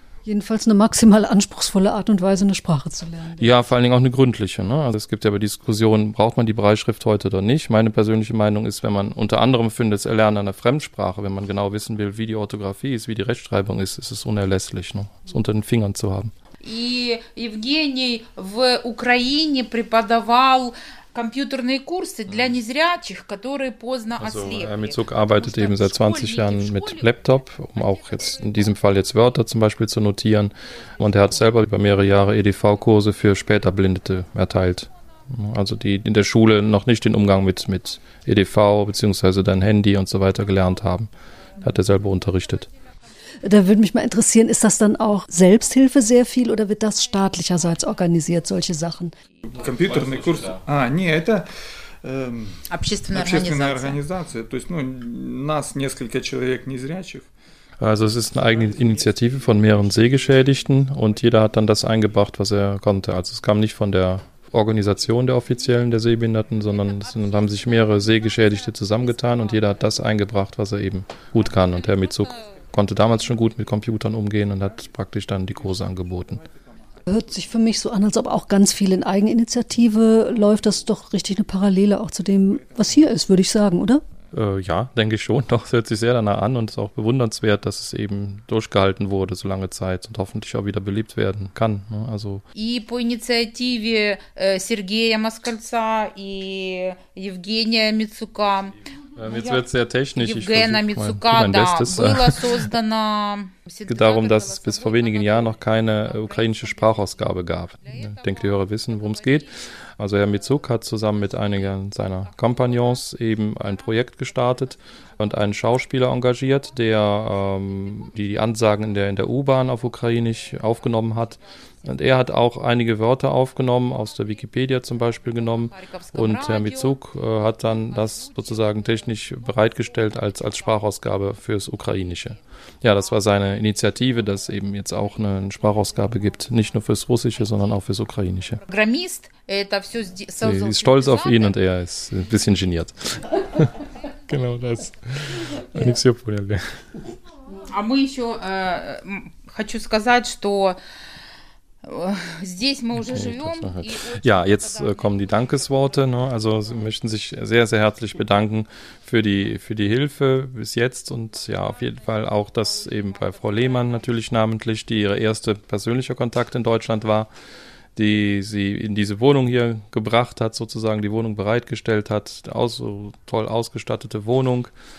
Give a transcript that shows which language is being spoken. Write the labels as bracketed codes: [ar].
[de] Jedenfalls eine maximal anspruchsvolle Art und Weise, eine Sprache zu lernen. Ja, vor allen Dingen auch eine gründliche. Ne? Also es gibt ja aber Diskussionen, braucht man die Brailleschrift heute oder nicht? Meine persönliche Meinung ist, wenn man unter anderem findet, das Erlernen einer Fremdsprache, wenn man genau wissen will, wie die Orthographie ist, wie die Rechtschreibung ist, ist es unerlässlich, ne? Es unter den Fingern zu haben. [ru] Und Евгений в Украине преподавал компьютерные курсы для незрячих, которые поздно ослепли. [de] Also, Herr Mitzuk arbeitet eben seit 20 Jahren mit Laptop, um auch jetzt in diesem Fall jetzt Wörter zum Beispiel zu notieren. Und er hat selber über mehrere Jahre EDV-Kurse für später Blindete erteilt. Also die in der Schule noch nicht den Umgang mit EDV bzw. dann Handy und so weiter gelernt haben. Hat er selber unterrichtet. Da würde mich mal interessieren, ist das dann auch Selbsthilfe sehr viel oder wird das staatlicherseits organisiert, solche Sachen? Computerkurs? Ah, nee, [ru] это общественная организация. То есть, ну, нас несколько человек незрячих. [de] Also es ist eine eigene Initiative von mehreren Sehgeschädigten und jeder hat dann das eingebracht, was er konnte. Also es kam nicht von der Organisation der Offiziellen der Sehbehinderten, sondern es haben sich mehrere Sehgeschädigte zusammengetan und jeder hat das eingebracht, was er eben gut kann. Und Herr Mitzuk konnte damals schon gut mit Computern umgehen und hat praktisch dann die Kurse angeboten. Hört sich für mich so an, als ob auch ganz viel in Eigeninitiative läuft. Das ist doch richtig eine Parallele auch zu dem, was hier ist, würde ich sagen, oder? Ja, denke ich schon. Doch, es hört sich sehr danach an und ist auch bewundernswert, dass es eben durchgehalten wurde so lange Zeit und hoffentlich auch wieder beliebt werden kann. Ne? Also. [ru] И по инициативе Сергея Москальца и Евгения Мицука. [de] Jetzt wird es sehr technisch, ich versuche mein Bestes. Es geht darum, dass es bis vor wenigen Jahren noch keine ukrainische Sprachausgabe gab. Ich denke, die Hörer wissen, worum es geht. Also Herr Mitzuk hat zusammen mit einigen seiner Kompagnons eben ein Projekt gestartet und einen Schauspieler engagiert, der die Ansagen in der U-Bahn auf Ukrainisch aufgenommen hat. Und er hat auch einige Wörter aufgenommen, aus der Wikipedia zum Beispiel genommen. Und Herr Mitsuk hat dann das sozusagen technisch bereitgestellt als Sprachausgabe fürs Ukrainische. Ja, das war seine Initiative, dass es eben jetzt auch eine Sprachausgabe gibt, nicht nur fürs Russische, sondern auch fürs Ukrainische. Sie ist stolz auf ihn und er ist ein bisschen geniert. Genau das. Nichts hier vorher. [ru] А мы еще хочу сказать, что здесь мы уже живем. [de] Ja, jetzt kommen die Dankesworte. Ne? Also sie möchten sich sehr, sehr herzlich bedanken für die Hilfe bis jetzt und ja, auf jeden Fall auch das eben bei Frau Lehmann natürlich namentlich, die ihre erste persönliche Kontakt in Deutschland war, die sie in diese Wohnung hier gebracht hat, sozusagen die Wohnung bereitgestellt hat, so toll ausgestattete Wohnung.